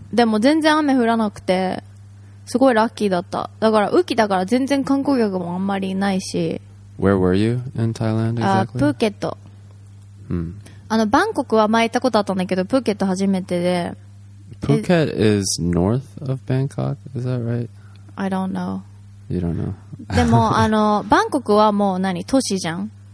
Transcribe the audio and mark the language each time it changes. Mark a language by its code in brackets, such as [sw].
[ja] でも全然雨降らなくて、すごいラッキーだった。だから雨季だから全然観光客もあんまりいないし。 [en] Where were you in Thailand exactly? [ja] プーケット。バンコクは前行ったことあったんだけど、プーケット初めてで。 [en] プーケット is north of Bangkok, is that right? I don't know. You don't know. [ja] でも、バンコクはもう何、都市じゃん。